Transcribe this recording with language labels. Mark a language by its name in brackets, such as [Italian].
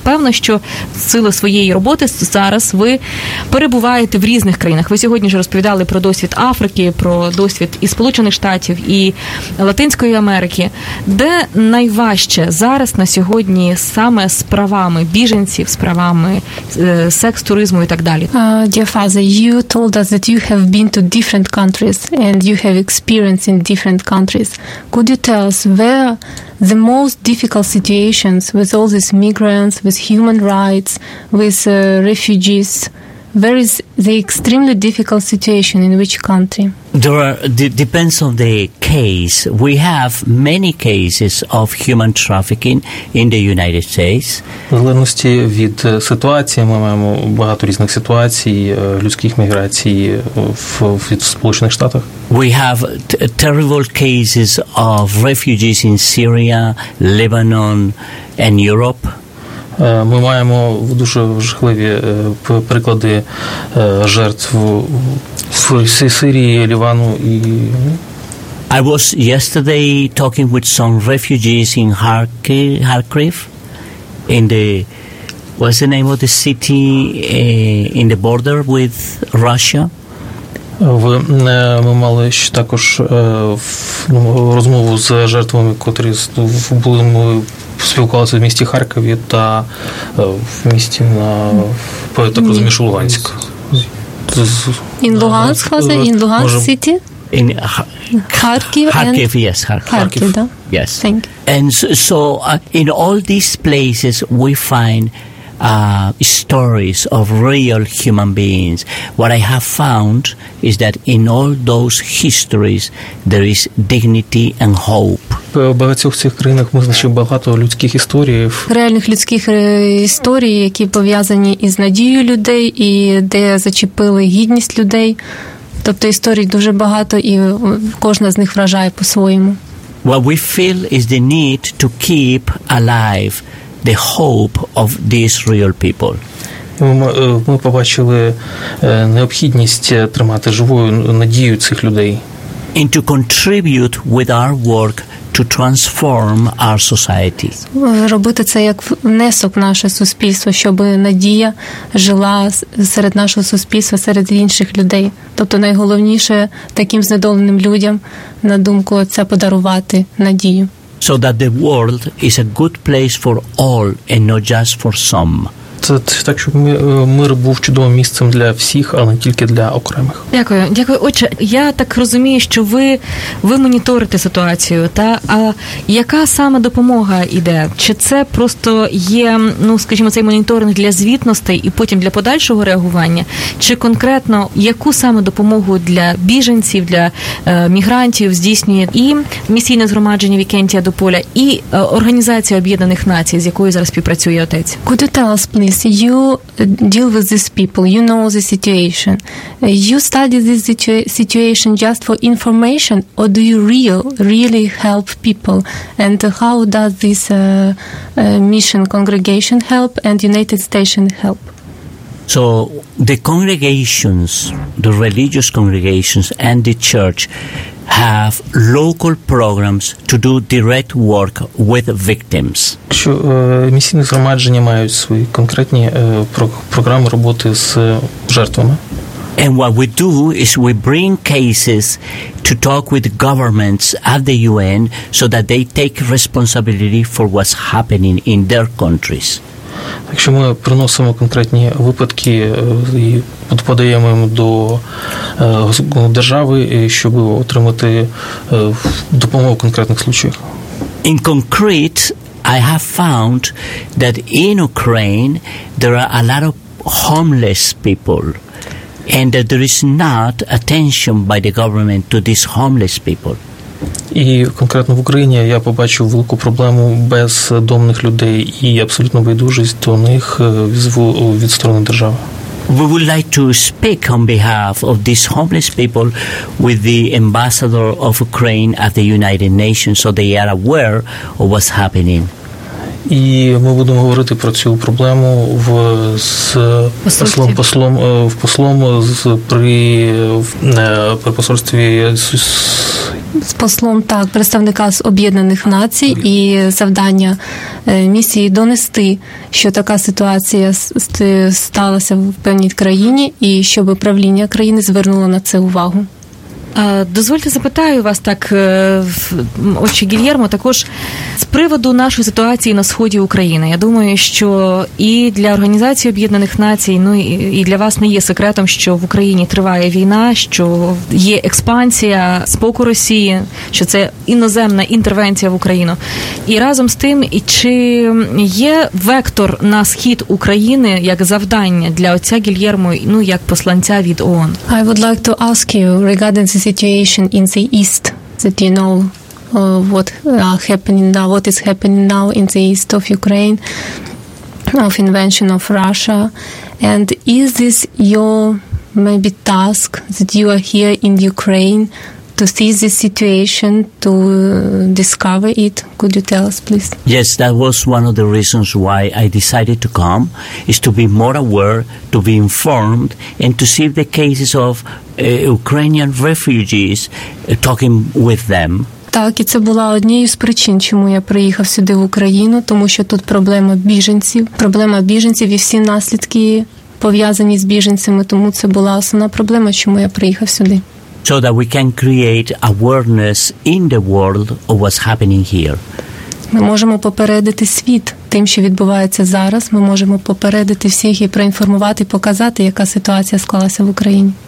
[Ukrainian] Певно, що в силу своєї роботи зараз ви перебуваєте в різних країнах. Ви сьогодні вже розповідали про досвід Африки, про досвід і Сполучених Штатів, і Латинської Америки. Де найважче зараз на сьогодні саме з правами біженців, з правами секс-туризму і так далі? [English] Dear Father, you told us that you have been to different countries and you have experienced in different countries. Could you tell us where the most difficult situations with all these migrants, with human rights, with refugees, where is the extremely difficult situation in which country? Depends on the case. We have many cases of human trafficking in the United States. [Ukrainian] В залежності від ситуації, ми маємо багато різних ситуацій людських міграцій в Сполучених Штатах. [English] We have terrible cases of refugees in Syria, Lebanon, and Europe. [Ukrainian] Ми маємо дуже жахливі приклади жертв в Сирії, Лівану і... [English] I was yesterday talking with some refugees in Kharkiv, in the... What's the name of the city in the border with Russia? [Ukrainian] Ми мали ще також розмову з жертвами, котрі були... спілкувалися в місті Харкові та в місті на так розумієш Луганськ. [English] In Luhansk, in Luhansk city? In Kharkiv. Kharkiv, yes, Kharkiv. Yes. Thank you. And so in all these places we find stories of real human beings. What I have found is that in all those histories there is dignity and hope. [Ukrainian] У багатьох цих країнах ми знайшли багато людських історій. Реальних людських історій, які пов'язані із надією людей, і де зачепили гідність людей. Тобто історій дуже багато, і кожна з них вражає по-своєму. [English] What we feel is the need to keep alive the hope of these real people. [Ukrainian] Ми побачили необхідність тримати живою надію цих людей. [English] And to contribute with our work to transform our society. [Ukrainian] Робити це як внесок в наше суспільство, щоб надія жила серед нашого суспільства, серед інших людей. Тобто найголовніше таким знедоленим людям, на думку, це подарувати надію. [English] So that the world is a good place for all and not just for some. [Ukrainian] Так, щоб мир був чудовим місцем для всіх, але тільки для окремих. Дякую. Дякую. Отже, я так розумію, що ви моніторите ситуацію. Та, а яка саме допомога йде? Чи це просто є, ну, скажімо, цей моніторинг для звітностей і потім для подальшого реагування? Чи конкретно яку саме допомогу для біженців, для мігрантів здійснює і місійне згромадження Вікентія до поля, і Організація Об'єднаних Націй, з якою зараз співпрацює отець? [English] Could you tell us, please? Yes, you deal with these people, you know the situation. You study this situation just for information, or do you really help people? And how does this mission congregation help and United Station help? So the congregations, the religious congregations and the church have local programs to do direct work with victims. [Ukrainian] Що місцеві громадяни мають свої конкретні програми роботи з жертвами? [English] And what we do is we bring cases to talk with governments at the UN so that they take responsibility for what's happening in their countries. [Ukrainian] Якщо ми приносимо конкретні випадки і подаємо їм до держави, щоб отримати допомогу в конкретних случаях. [English] In concrete, I have found that in Ukraine there are a lot of homeless people and that there is not attention by the government to these homeless people. [Ukrainian] І конкретно в Україні я побачив велику проблему бездомних людей і абсолютно байдужість до них від сторони держави. [English] We would like to speak on behalf of these homeless people with the ambassador of Ukraine at the United Nations so they are aware of what's happening. [Ukrainian] І ми будемо говорити про цю проблему з послом, так, представника з Об'єднаних Націй, і завдання місії донести, що така ситуація сталася в певній країні, і щоб правління країни звернуло на це увагу. Дозвольте запитаю вас так, отче Гільєрмо, також з приводу нашої ситуації на сході України. Я думаю, що і для Організації Об'єднаних Націй, ну і для вас не є секретом, що в Україні триває війна, що є експансія з боку Росії, що це іноземна інтервенція в Україну. І разом з тим, і чи є вектор на схід України як завдання для отця Гільєрмо, ну як посланця від ООН? [English] I would like to ask you regarding the situation in the east, that you know what is happening now in the east of Ukraine, of invasion of Russia, and is this your maybe task that you are here in Ukraine to see this situation, to discover it? Could you tell us, please? Yes, that was one of the reasons why I decided to come, is to be more aware, to be informed, and to see the cases of Ukrainian refugees talking with them. [Ukrainian] Так, і це була однією з причин, чому я приїхав сюди в Україну, тому що тут проблема біженців і всі наслідки пов'язані з біженцями, тому це була основна проблема, чому я приїхав сюди. [English] So that we can create awareness in the world of what's happening here. [Ukrainian] Ми можемо попередити світ тим, що відбувається зараз, ми можемо попередити всіх і проінформувати, показати, яка ситуація склалася в Україні.